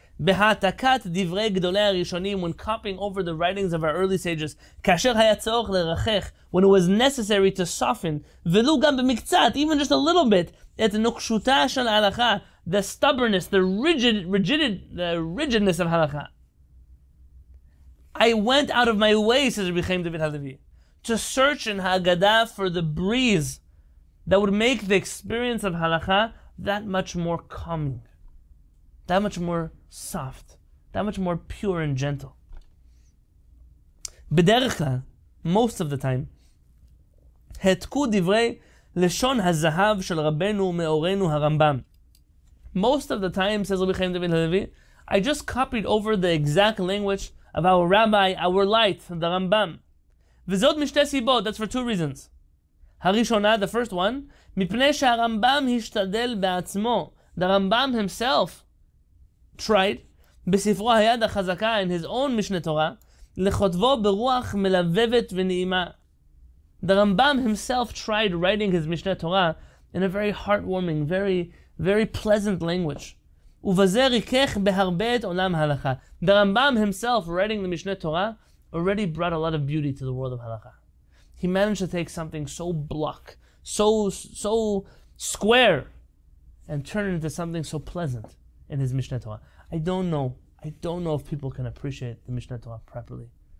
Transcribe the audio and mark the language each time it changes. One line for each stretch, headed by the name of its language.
Hebrew: בהעתקת דברי גדולי הראשונים,
English: when copying over the writings of our early sages,
Hebrew: כאשר היה צורך לרחך,
English: when it was necessary to soften,
Hebrew: ולו גם במקצת,
English: even just a little bit,
Hebrew: את נוקשותה של ההלכה,
English: the stubbornness, the rigidness of ההלכה. I went out of my way, says Rabbi Chaim David Halevi, to search in Haggadah for the breeze that would make the experience of ההלכה that much more calming, that much more soft, that much more pure and gentle.
Hebrew: בדרך כלל,
English: most of the time,
Hebrew: התקו דברי לשון הזהב של רבנו מאורנו הרמב״ם.
English: Most of the time, says רבי חיים דוד הלוי, I just copied over the exact language of our rabbi, our light, the רמב״ם.
Hebrew: וזאת משתי סיבות,
English: that's for two reasons.
Hebrew: הראשונה,
English: the first one,
Hebrew: מפני שהרמב״ם השתדל בעצמו,
English: the רמב״ם himself, tried,
Hebrew: בספרו היד החזקה,
English: in his own משנה תורה,
Hebrew: לכותבו ברוח מלבבת ונעימה.
English: The Rambam himself tried writing his משנה תורה in a very heartwarming, very, very pleasant language.
Hebrew: ובזה ריקח בהרבה את עולם ההלכה.
English: The Rambam himself writing the משנה תורה already brought a lot of beauty to the world of halakha. He managed to take something so block, so square, and turn it into something so pleasant in his Mishneh Torah. I don't know if people can appreciate the Mishneh Torah properly.